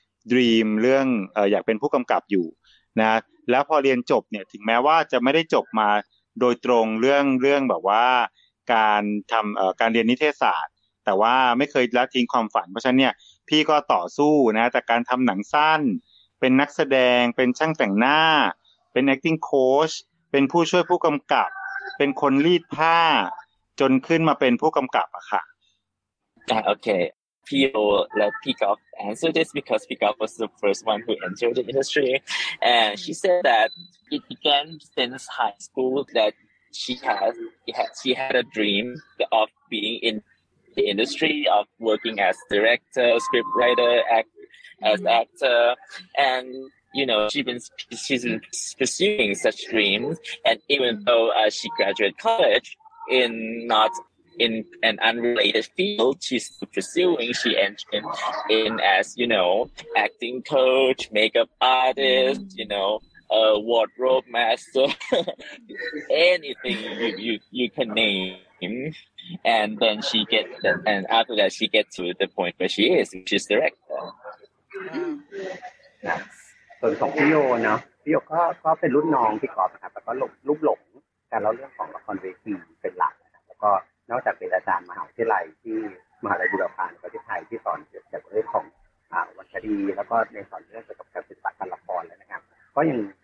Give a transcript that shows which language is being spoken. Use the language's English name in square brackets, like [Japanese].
[Thai] ดรีมเรื่องอยากเป็นผู้กำกับอยู่นะแล้วพอเรียนจบเนี่ยถึงแม้ว่าจะไม่ได้จบมาโดยตรงเรื่องแบบว่าการทำการเรียนนิเทศศาสตร์แต่ว่าไม่เคยละทิ้งความฝันเพราะฉะนั้นเนี่ยพี่ก็ต่อสู้นะแต่การทำหนังสั้นเป็นนักแสดงเป็นช่างแต่งหน้าเป็น acting coach เป็นผู้ช่วยผู้กำกับเป็นคนรีดผ้าจนขึ้นมาเป็นผู้กำกับอะค่ะ โอเคพี่โอ [English] let pick up answer this because pick up was the first one who entered the industry and she said that it began since high school thatShe had a dream of being in the industry, of working as director, scriptwriter, as actor. And, you know, she's been pursuing such dreams. And even though she graduated college in an unrelated field, she's pursuing. She entered in as, you know, acting coach, makeup artist, you know. Wardrobe master, anything you can name, and then she get, and after that she gets to the point where she is, which is director. [Thai] ส่วนของพี่โยนะพี่โยก็เป็นรุ่นน้องพี่กอล์ฟนะครับแล้วก็ลุกหลงแต่เราเรื่องของละครเวทีเป็นหลักแล้วก็นอกจากเป็นอาจารย์มหาวิทยาลัยที่มหาลัยบูรพาประเทศไทยที่สอนเกี่ยวกับเรื่องของวรรณคดีแล้วก็ในสอนเรื่องเกี่ยวกับการศึกษาการละครเลยนะครับก็ยัง